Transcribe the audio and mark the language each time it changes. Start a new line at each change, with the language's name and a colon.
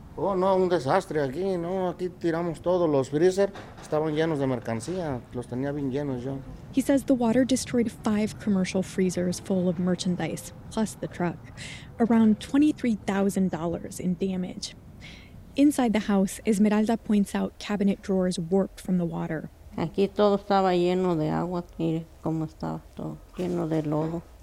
Spanish: Oh no, un desastre aquí, no, aquí tiramos todo. Los freezer estaban llenos de mercancía, los tenía bien llenos yo.
English: He says the water destroyed 5 commercial freezers full of merchandise, plus the truck. Around $23,000 in damage. Inside the house, Esmeralda points out cabinet drawers warped from the water.
Spanish: Aquí todo estaba lleno de agua, mire cómo estaba todo, lleno de lodo.